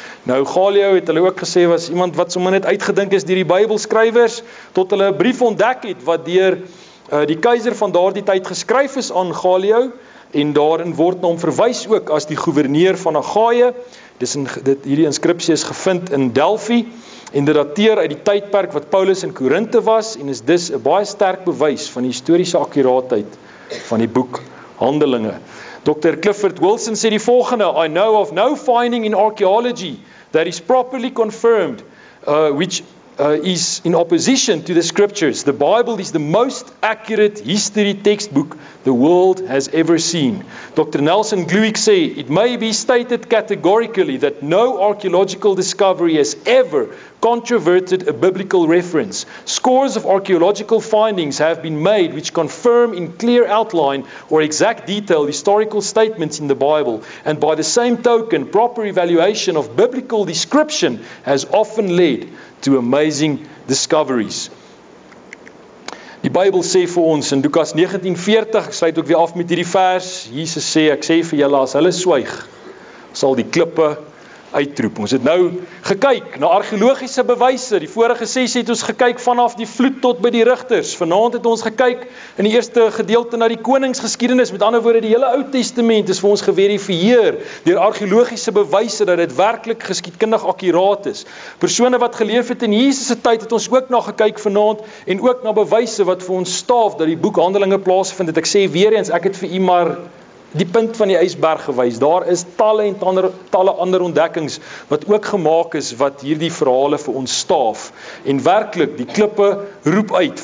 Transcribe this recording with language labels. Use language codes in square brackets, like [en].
[af] Nou Galio het hulle ook gesê was iemand wat sommer net uitgedink is deur die Bybelskrywers, tot hulle 'n brief ontdek het wat deur die keiser van daardie tyd geskryf is aan Galio, en daarin word na hom verwys ook as die goewerneur van Gaia. Hierdie inskripsie is gevind in Delphi en dit dateer uit die tydperk wat Paulus in Korinthe was en is dus 'n baie sterk bewys van die historiese akkuraatheid van die boek Handelinge. Dr. [en] Clifford Wilson [af] sê die volgende: [en] I know of no finding in archaeology that is properly confirmed which is in opposition to the scriptures. The Bible is the most accurate history textbook the world has ever seen. Dr. Nelson Glueck [af] sê, [en] it may be stated categorically that no archaeological discovery has ever controverted a biblical reference. Scores of archaeological findings have been made which confirm in clear outline or exact detail historical statements in the Bible, and by the same token, proper evaluation of biblical description has often led to amazing discoveries. [af] Die Bybel sê vir ons in Lukas 19:40, ek sluit ook weer af met hierdie vers, Jesus sê, ek sê vir julle, as hulle swyg, sal die klippe uitroep. Ons het nou gekyk na argeologiese bewyse. Die vorige sessie het ons gekyk vanaf die vloed tot by die rigters. Vanaand het ons gekyk in die eerste gedeelte na die koningsgeskiedenis. Met ander woorde, die hele Ou Testament is vir ons geverifieer deur argeologiese bewyse dat dit werklik geskiedkundig akkuraat is. Persone wat geleef het in Jesus se tyd het ons ook na gekyk vanaand, en ook na bewyse wat vir ons staaf dat die boek Handelinge plaasvind. Ek sê weer eens, ek het vir u maar die punt van die ysberg gewys. Daar is talle en talle ander ontdekkings wat ook gemaak is wat hierdie verhale vir ons staaf. En werklik, die klippe roep uit.